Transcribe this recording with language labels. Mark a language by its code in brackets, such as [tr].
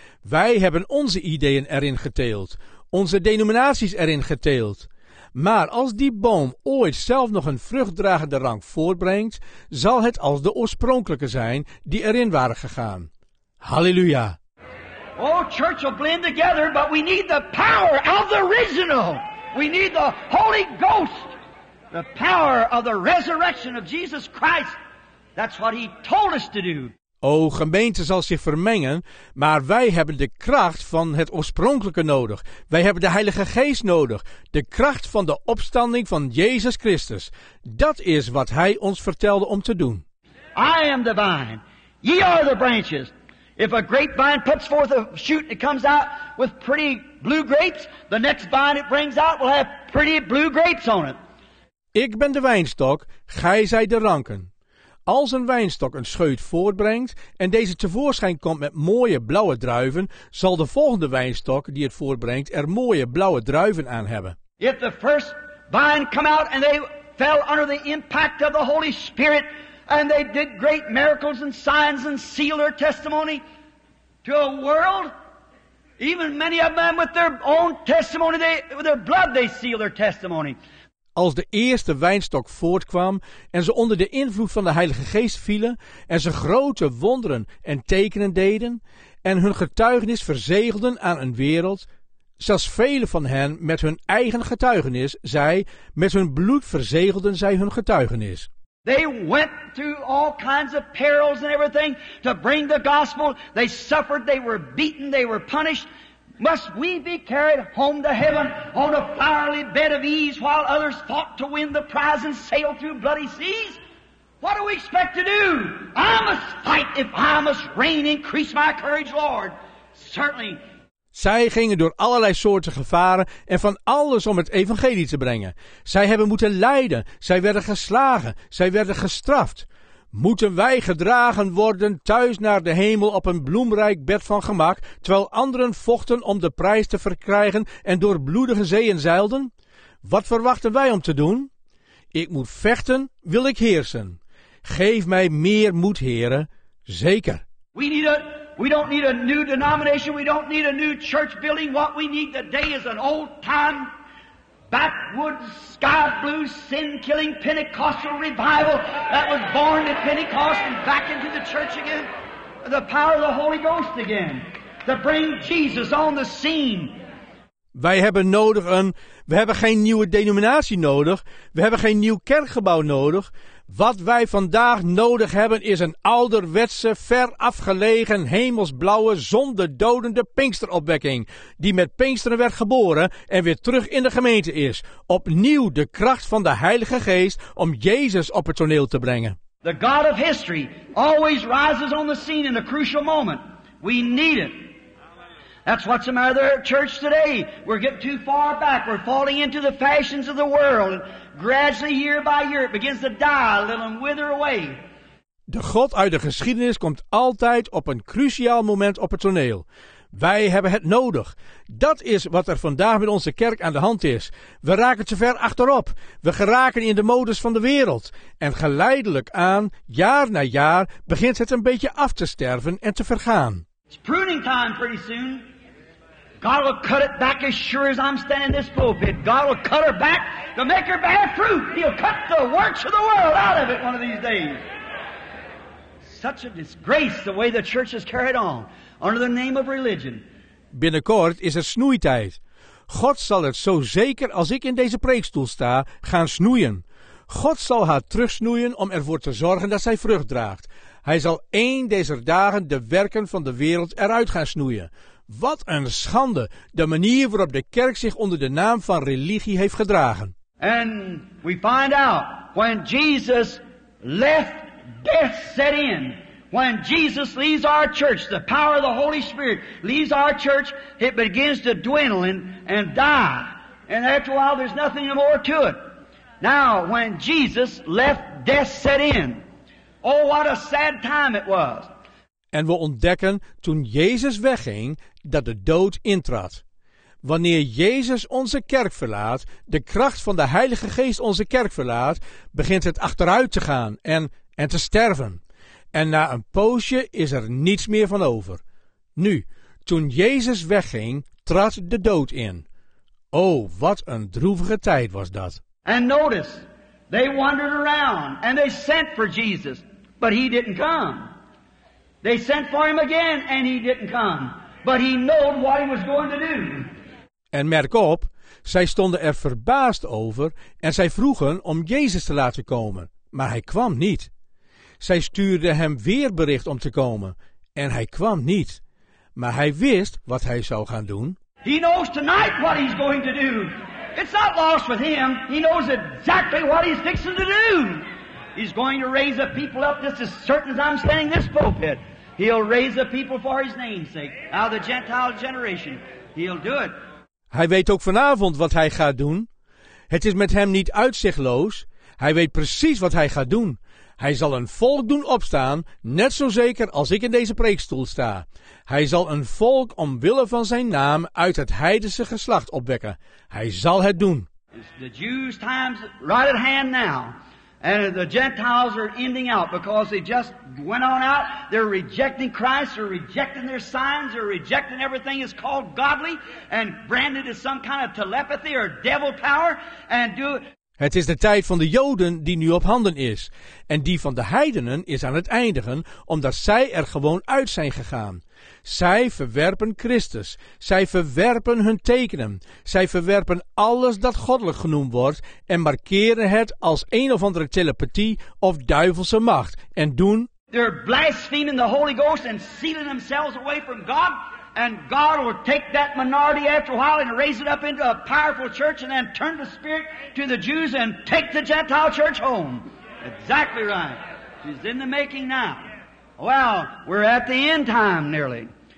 [nl] Wij hebben onze ideeën erin geteeld, onze denominaties erin geteeld. Maar als die boom ooit zelf nog een vruchtdragende rank voortbrengt, zal het als de oorspronkelijke zijn die erin waren gegaan. Halleluja! [en] Oh, church will blend together, but we need the power of the original. We need the Holy Ghost. The power of the resurrection of Jesus Christ. That's what he told us to do. [nl] O, gemeente zal zich vermengen, maar wij hebben de kracht van het oorspronkelijke nodig. Wij hebben de Heilige Geest nodig, de kracht van de opstanding van Jezus Christus. Dat is wat Hij ons vertelde om te doen. [en] I am the vine, ye are the branches. If a grapevine puts forth a shoot and it comes out with pretty blue grapes, the next vine it brings out will have pretty blue grapes on it. [nl] Ik ben de wijnstok, gij zijt de ranken. Als een wijnstok een scheut voortbrengt en deze tevoorschijn komt met mooie blauwe druiven, zal de volgende wijnstok die het voortbrengt er mooie blauwe druiven aan hebben. [en] If the first vine come out and they fell under the impact of the Holy Spirit and they did great miracles and signs and sealed their testimony to a world, even many of them with their own testimony, with their blood they seal their testimony. [nl] Als de eerste wijnstok voortkwam en ze onder de invloed van de Heilige Geest vielen en ze grote wonderen en tekenen deden en hun getuigenis verzegelden aan een wereld, zelfs velen van hen met hun eigen getuigenis, zij met hun bloed verzegelden zij hun getuigenis. [en] They went through all kinds of perils and everything to bring the gospel. They suffered, they were beaten, they were punished. Must we be carried home to heaven on a fiery bed of ease while others fought to win the prize and sail through bloody seas? What do we expect to do? I must fight if I must reign. Increase my courage, Lord. Certainly. [nl] Zij gingen door allerlei soorten gevaren en van alles om het evangelie te brengen. Zij hebben moeten lijden. Zij werden geslagen. Zij werden gestraft. Moeten wij gedragen worden thuis naar de hemel op een bloemrijk bed van gemak, terwijl anderen vochten om de prijs te verkrijgen en door bloedige zeeën zeilden? Wat verwachten wij om te doen? Ik moet vechten, wil ik heersen. Geef mij meer moed, heren. Zeker. [en] We don't need a new denomination. We don't need a new church building. What we need today is an old time backwoods, sky blue, sin-killing Pentecostal revival that was born at Pentecost and back into the church again. The power of the Holy Ghost again. To bring Jesus on the scene. [nl] We hebben geen nieuwe denominatie nodig. We hebben geen nieuw kerkgebouw nodig. Wat wij vandaag nodig hebben is een ouderwetse, ver afgelegen, hemelsblauwe, zondedodende Pinksteropwekking. Die met Pinksteren werd geboren en weer terug in de gemeente is. Opnieuw de kracht van de Heilige Geest om Jezus op het toneel te brengen. [en] The God of history always rises on the scene in a crucial moment. We need it. That's what's the matter with our church today. We're getting too far back. We're falling into the fashions of the world. And gradually, year by year, it begins to die a little and wither away. [nl] De God uit de geschiedenis komt altijd op een cruciaal moment op het toneel. Wij hebben het nodig. Dat is wat er vandaag met onze kerk aan de hand is. We raken te ver achterop. We geraken in de modus van de wereld. En geleidelijk aan, jaar na jaar, begint het een beetje af te sterven en te vergaan. [en] It's pruning time pretty soon. God will cut it back as sure as I'm standing in this pulpit. God will cut her back to make her bear fruit. He'll cut the works of the world out of it one of these days. Such a disgrace the way the church has carried on under the name of religion. [nl] Binnenkort is het snoeitijd. God zal het zo zeker als ik in deze preekstoel sta gaan snoeien. God zal haar terugsnoeien om ervoor te zorgen dat zij vrucht draagt. Hij zal één deze dagen de werken van de wereld eruit gaan snoeien. Wat een schande, de manier waarop de kerk zich onder de naam van religie heeft gedragen. [en] And we find out when Jesus left, death set in. When Jesus leaves our church, the power of the Holy Spirit leaves our church, it begins to dwindle and die. And after a while, there's nothing more to it. Now, when Jesus left, death set in. Oh, what a sad time it was. [nl] En we ontdekken toen Jezus wegging dat de dood intrad. Wanneer Jezus onze kerk verlaat, de kracht van de Heilige Geest onze kerk verlaat, begint het achteruit te gaan en te sterven. En na een poosje is er niets meer van over. Nu, toen Jezus wegging, trad de dood in. Oh, wat een droevige tijd was dat. [en] And notice, they wandered around and they sent for Jesus, but he didn't come. They sent for him again and he didn't come, but he knew what he was going to do. [nl] En merk op, zij stonden er verbaasd over en zij vroegen om Jezus te laten komen, maar hij kwam niet. Zij stuurden hem weer bericht om te komen en hij kwam niet, maar hij wist wat hij zou gaan doen. [en] He knows tonight what he's going to do. It's not lost with him. He knows exactly what he's fixing to do. He's going to raise a people up just as certain as I'm standing in this pulpit. He'll raise a people for his name's sake. Out of the Gentile generation. He'll do it. [nl] Hij weet ook vanavond wat hij gaat doen. Het is met hem niet uitzichtloos. Hij weet precies wat hij gaat doen. Hij zal een volk doen opstaan, net zo zeker als ik in deze preekstoel sta. Hij zal een volk omwille van zijn naam uit het heidense geslacht opwekken. Hij zal het doen. [en] The Jews' time's right at hand now. And the Gentiles are ending out because they just went on out. They're rejecting Christ, they're rejecting their signs, they're rejecting everything that's called godly and branded as some kind of telepathy or devil power and do it. [nl] Het is de tijd van de Joden die nu op handen is. En die van de heidenen is aan het eindigen, omdat zij er gewoon uit zijn gegaan. Zij verwerpen Christus. Zij verwerpen hun tekenen. Zij verwerpen alles dat goddelijk genoemd wordt en markeren het als een of andere telepathie of duivelse macht. En doen... [en] They're blaspheming the Holy Ghost and sealing themselves away from God. And God will take that minority after a while and raise it up into a powerful church and then turn the spirit to the Jews and take the Gentile church home. Exactly right. She's in the making now. Well, we're at the end time nearly.